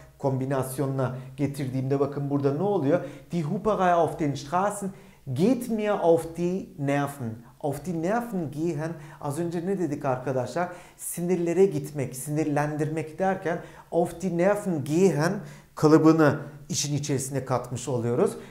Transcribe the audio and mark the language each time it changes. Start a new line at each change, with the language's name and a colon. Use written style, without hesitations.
Turkish: kombinasyonuna getirdiğimde bakın burada ne oluyor?
German: Die Huperei auf den Straßen geht mir auf die Nerven. Auf die Nerven gehen,
Turkish: az önce ne dedik arkadaşlar? Sinirlere gitmek, sinirlendirmek derken
German: auf die Nerven gehen
Turkish: kalıbını işin içerisine katmış oluyoruz.